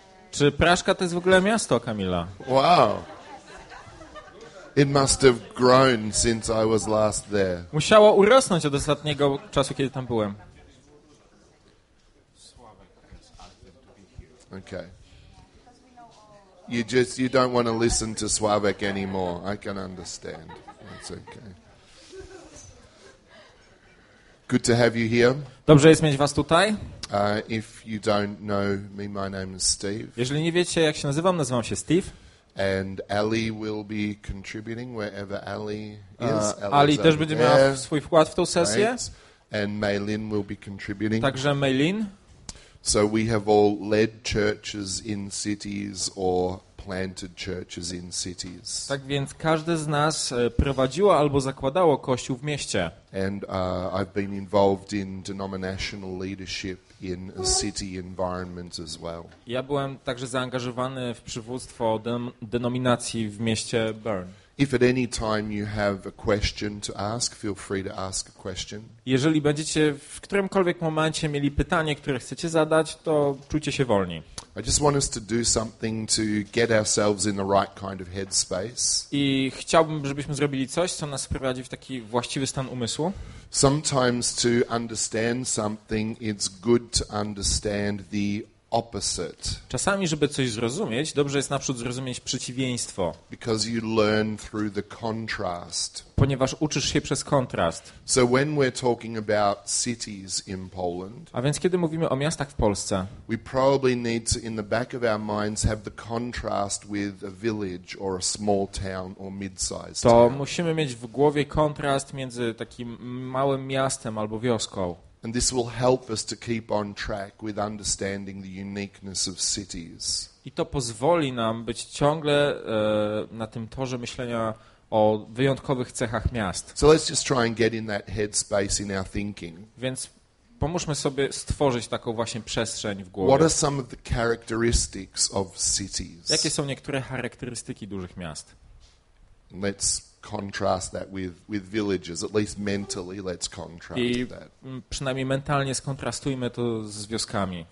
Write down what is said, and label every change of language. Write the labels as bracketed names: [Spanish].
[Polish] Czy Praszka to jest w ogóle miasto, Kamila? Wow. [English] It must have grown since I was last there. [Polish] Musiało urosnąć od ostatniego czasu, kiedy tam byłem. Okay. [English] You don't want to listen to Sławek anymore. I can understand. That's okay. Good to have you here. [Polish] Dobrze jest mieć was tutaj. [English] If you don't know me, my name is Steve. [Polish] Jeżeli nie wiecie, jak się nazywam, nazywam się Steve. [English] And Ali will be contributing wherever Ali is. [Polish] Ali też będzie miała swój wkład w tę sesję. [English] Right. And Maylin will be contributing. [Polish] Także Maylin. [English] So we have all led churches in cities or planted churches in cities. [Polish] Tak więc każdy z nas prowadziło albo zakładało kościół w mieście. [English] And I've been involved in denominational leadership in a city environment as well. [Polish] Ja byłem także zaangażowany w przywództwo denominacji w mieście Bern. [English] If at any time you have a question to ask, feel free to ask a question. [Polish] Jeżeli będziecie w którymkolwiek momencie mieli pytanie, które chcecie zadać, to czujcie się wolni. [English] I just want us to do something to get ourselves in the right kind of headspace. [Polish] I chciałbym, żebyśmy zrobili coś, co nas wprowadzi w taki właściwy stan umysłu. [English] Sometimes to understand something, it's good to understand the opposite. [Polish] Czasami, żeby coś zrozumieć, dobrze jest naprzód zrozumieć przeciwieństwo. [English] Because you learn through the contrast. [Polish] Ponieważ uczysz się przez kontrast. [English] So when we're talking about cities in Poland, [Polish] a więc kiedy mówimy o miastach w Polsce, [English] we probably need to in the back of our minds have the contrast with a village or a small town or mid-sized [Polish] to [English] town. [Polish] Musimy mieć w głowie kontrast między takim małym miastem albo wioską. [English] And this will help us to keep on track with understanding the uniqueness of cities. [Polish] I to pozwoli nam być ciągle na tym torze myślenia o wyjątkowych cechach miast. [English] So let's just try and get in that headspace in our thinking. [Polish] Więc pomóżmy sobie stworzyć taką właśnie przestrzeń w głowie. [English] What are some of the characteristics of cities? [Polish] Jakie są niektóre charakterystyki dużych miast? [English] Let's contrast that with villages, at least mentally let's contrast [Polish] i [English] that. [Polish] Przynajmniej mentalnie skontrastujmy to z wioskami.